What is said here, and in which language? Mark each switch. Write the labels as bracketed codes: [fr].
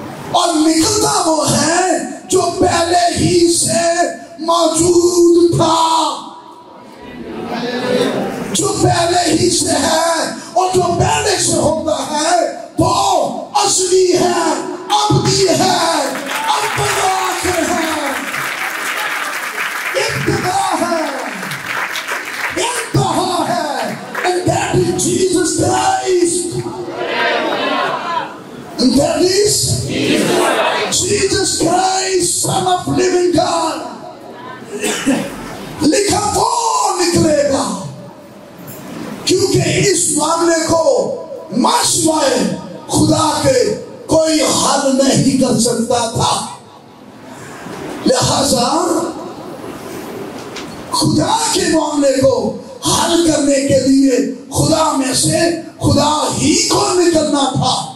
[ur] اور نکلتا وہ ہے جو پہلے ہی سے موجود تھا, جو پہلے ہی سے ہے. اور جو پہلے سے ہوتا ہے وہ اصلی ہے, ابدی ہے, ابدا ہے, ابتدا ہے, انتہا ہے. [en] And that is Jesus Christ. And that is Jesus Christ, Son of Living God. [ur] لکھا وہ نکلے گا کیونکہ اس معاملے کو ماسوائے خدا کے کوئی حل نہیں کر سکتا تھا. لہذا خدا کے معاملے کو حل کرنے کے لیے خدا میں سے خدا ہی کو نکلنا تھا.